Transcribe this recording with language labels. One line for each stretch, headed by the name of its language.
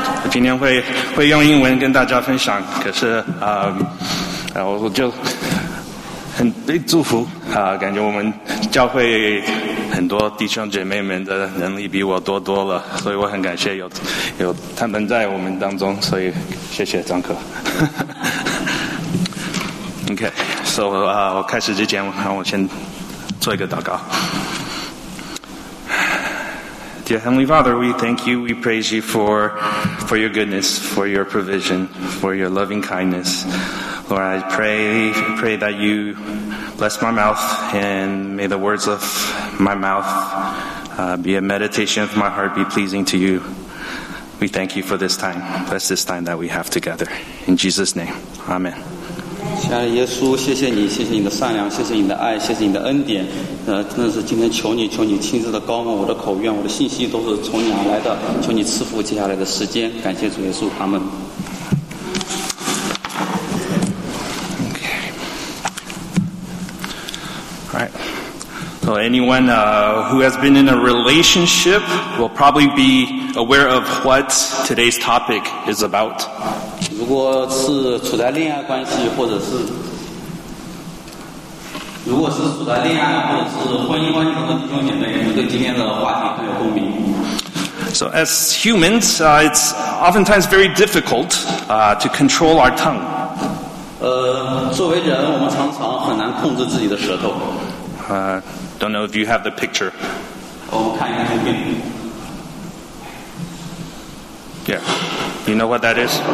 Chinese: 今天会用英文跟大家分享，可是我就很被祝福感觉我们教会很多弟兄姐妹们的能力比我多多了，所以我很感谢有他们在我们当中，所以谢谢张科。 OK， so 我开始之前，我先做一个祷告。
English: Dear Heavenly Father, we thank you, we praise you for your goodness, for your provision, for your loving kindness. Lord, I pray that you bless my mouth and may the words of my mouth be a meditation of my heart, be pleasing to you. We thank you for this time. Bless this time that we have together. In Jesus' name, Amen.
Chinese: 亲爱的耶稣，谢谢你，谢谢你的善良，谢谢你的爱，谢谢你的恩典。真的是今天求你亲自的膏抹我的口愿，我的信息都是从你而来的，求你赐福接下来的时间。感谢主耶稣，阿门。
English: Okay. All right. So anyone who has been in a relationship will probably be aware of what today's topic is about.
Chinese: 如果是处在恋爱关系，或者是如果是处在恋爱或者是婚姻关系的弟兄姐妹，你对今天的话题会有共鸣。
English: So as humans, it's oftentimes very difficult to control our tongue.
Chinese: 作为人，我们常常很难控制自己的舌头。
English: Don't know if you have the picture.
Chinese: 我们看一下图片。
English: Yeah, you know what that is?